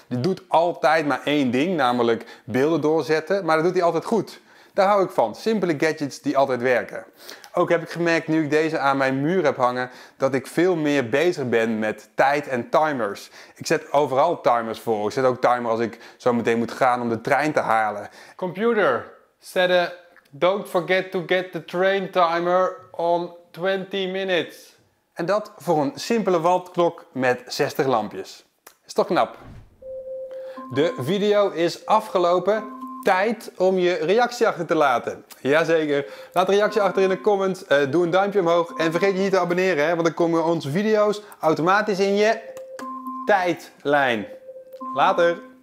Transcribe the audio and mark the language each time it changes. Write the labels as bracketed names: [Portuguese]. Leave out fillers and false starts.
[Dutch] Die doet altijd maar één ding, namelijk beelden doorzetten. Maar dat doet hij altijd goed. Daar hou ik van. Simpele gadgets die altijd werken. Ook heb ik gemerkt, nu ik deze aan mijn muur heb hangen, dat ik veel meer bezig ben met tijd en timers. Ik zet overal timers voor. Ik zet ook timer als ik zo meteen moet gaan om de trein te halen. [English] Computer, set a don't forget to get the train timer on 20 minutes. [Dutch] En dat voor een simpele wandklok met 60 lampjes. Is toch knap? De video is afgelopen. Tijd om je reactie achter te laten. Jazeker. Laat een reactie achter in de comments. Doe een duimpje omhoog. En vergeet je niet te abonneren, hè? Want dan komen onze video's automatisch in je tijdlijn. Later.